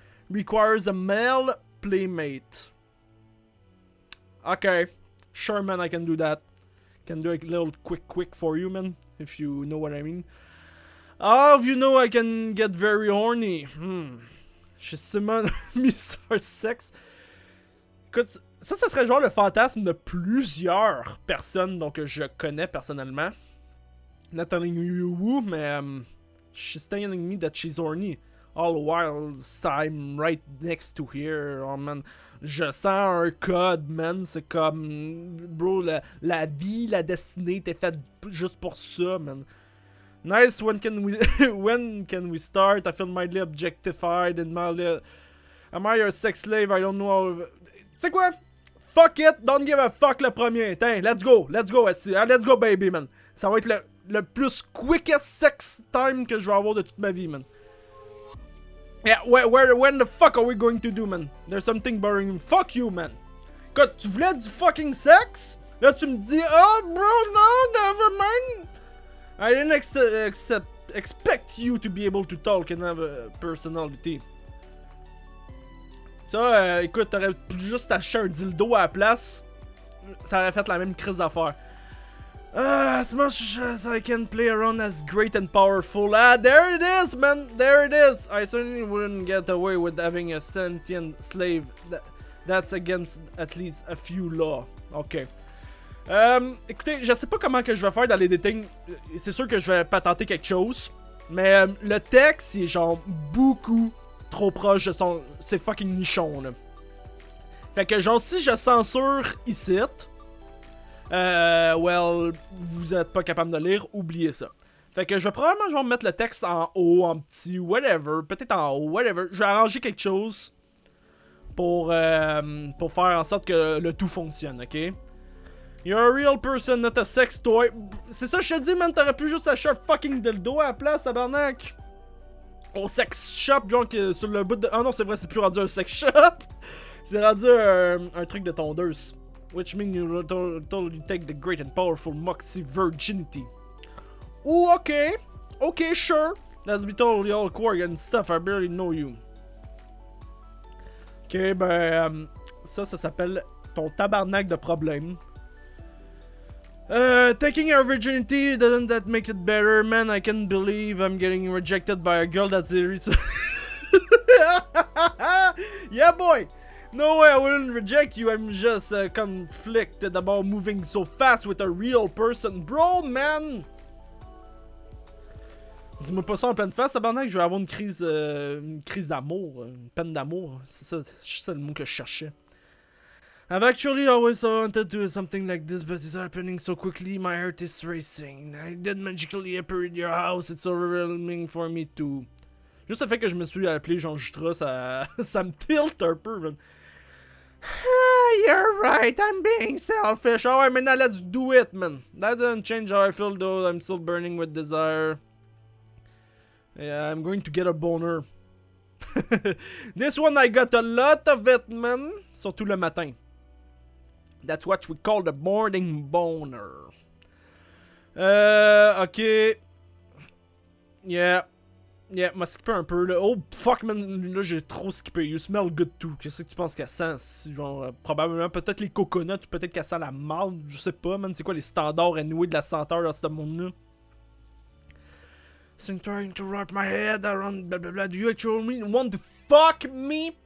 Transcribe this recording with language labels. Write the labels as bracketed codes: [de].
[en] Requires a male playmate. Okay. Sure, man, I can do that. Can do a little quick for you, man, if you know what I mean. Oh, if you know, I can get very horny. [fr] J'ai seulement mis un sexe. Écoute, ça serait genre le fantasme de plusieurs personnes donc je connais personnellement. [en] Not telling you who, mais she's telling me that she's horny. All while I'm right next to here. [fr] Oh man, je sens un code, man. C'est comme, bro, la vie, la destinée était faite juste pour ça, man. [en] Nice, when can we start? I feel mildly objectified and mildly... Am I your sex slave? I don't know how... [fr] T'sais quoi? [en] Fuck it! Don't give a fuck [fr] le premier! [en] Tain, let's go! Let's go, let's go, baby, man! [fr] Ça va être le plus [en] quickest sex time [fr] que je vais avoir de toute ma vie, man. [en] Yeah, when the fuck are we going to do, man? There's something boring. Fuck you, man! [fr] Quand tu voulais du fucking sex? Là, tu me dis, oh, [en] bro, no, never mind! I didn't expect you to be able to talk and have a personality. [fr] Ça, écoute, t'aurais pu juste acheter un dildo à la place. Ça aurait fait la même crise d'affaires. [en] As much as I can play around as great and powerful. Ah, there it is, man! There it is! I certainly wouldn't get away with having a sentient slave. That's against at least a few law. Okay. [fr] Écoutez, je sais pas comment que je vais faire dans les détails. C'est sûr que je vais patenter quelque chose. Mais le texte, il est genre beaucoup trop proche de son... C'est fucking nichon, là. Fait que genre, si je censure ici, well, vous êtes pas capable de lire, oubliez ça. Fait que je vais probablement genre mettre le texte en haut, en petit, whatever, peut-être en haut, whatever. Je vais arranger quelque chose pour faire en sorte que le tout fonctionne, ok? [en] You're a real person, not a sex toy. [fr] C'est ça que je te dis, man, t'aurais pu juste acheter un fucking dildo à la place, tabarnak. Au sex shop, genre, sur le bout de... Ah non, c'est vrai, c'est plus rendu un sex shop. C'est rendu un truc de tondeuse. [en] Which means you totally take the great and powerful moxie virginity. Ooh, okay. Okay, sure. Let's be totally all quirk and stuff, I barely know you. [fr] Okay, ben... Ça s'appelle ton tabarnak de problème. [en] Taking your virginity, doesn't that make it better, man? I can't believe I'm getting rejected by a girl that's irresistible. Yeah, boy! No way, I wouldn't reject you, I'm just conflicted about moving so fast with a real person. Bro, man! [fr] Dis-moi pas ça en pleine face, tabarnak, je vais avoir une crise d'amour, une peine d'amour. C'est ça le mot que je cherchais. [en] I've actually always wanted to do something like this, but it's happening so quickly, my heart is racing. I did magically appear in your house, it's overwhelming for me too. [fr] Juste le fait que je me suis appelé Jutra, ça me tilt un peu, man. [en] You're right, I'm being selfish. Oh, I mean, now let's do it, man. That doesn't change how I feel, though. I'm still burning with desire. Yeah, I'm going to get a boner. This one, I got a lot of it, man. [fr] Surtout le matin. [en] That's what we call the morning boner. Okay. Yeah. [fr] Yeah, m'a skippé un peu, là. Oh, fuck, man, là, j'ai trop skippé. [en] You smell good, too. [fr] Qu'est-ce que tu penses qu'elle sent? Genre, probablement, peut-être les coconuts, peut-être qu'elle sent la marde, je sais pas, man. C'est quoi les standards anyway de la senteur dans ce monde-là? [en] I'm trying to wrap my head around blah. Do you actually want to fuck me?